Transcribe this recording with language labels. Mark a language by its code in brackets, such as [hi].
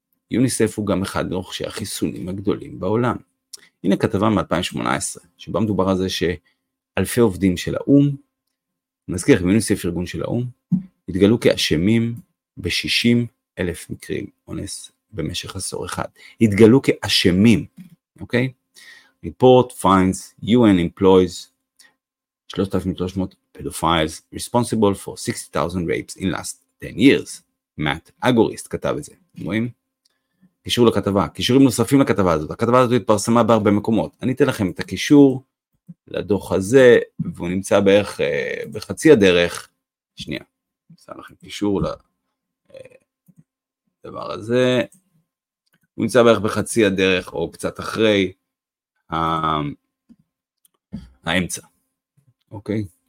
[he] יוניסף הוא גם אחד מרוכשי החיסונים הגדולים בעולם. הנה כתבה מ-2018, שבה מדובר על זה שאלפי עובדים של האום, נזכיר לכם, יוניסף ארגון של האום, התגלו כאשמים ב-60,000 מקרים אונס. במשך עשור אחד, התגלו כאשמים, אוקיי? [en] Report finds UN employees 3,300 pedophiles responsible for 60,000 rapes in last 10 years. [he] Matt Agorist כתב את זה, אתם רואים? קישור לכתבה, קישורים נוספים לכתבה הזאת, הכתבה הזאת התפרסמה בהרבה מקומות, אני אתן לכם את הקישור לדוח הזה, והוא נמצא בערך בחצי הדרך, שנייה, נמצא לכם קישור הדבר הזה, הוא נמצא בערך בחצי הדרך, או קצת אחרי האמצע, אוקיי?